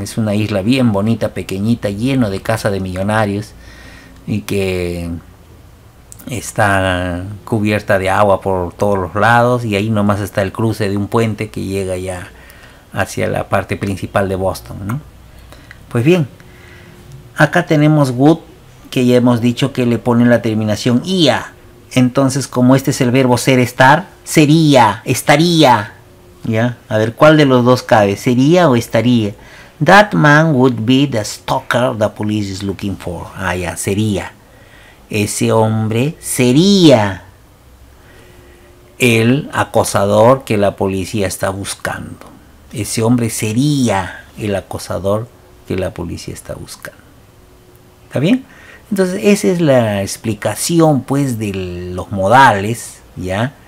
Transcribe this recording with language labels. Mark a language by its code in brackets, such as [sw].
[es] Es una isla bien bonita, pequeñita, lleno de casas de millonarios y que está cubierta de agua por todos los lados y ahí nomás está el cruce de un puente que llega ya hacia la parte principal de Boston, ¿no? Pues bien, acá tenemos Wood, que ya hemos dicho que le ponen la terminación IA. Entonces, como este es el verbo ser, estar, sería, estaría. ¿Ya? A ver, ¿cuál de los dos cabe? ¿Sería o estaría? [en] That man would be the stalker the police is looking for. [es] Ah, ya, sería. Ese hombre sería el acosador que la policía está buscando. Ese hombre sería el acosador que la policía está buscando. ¿Está bien? Entonces, esa es la explicación, pues, de los modales, ¿ya?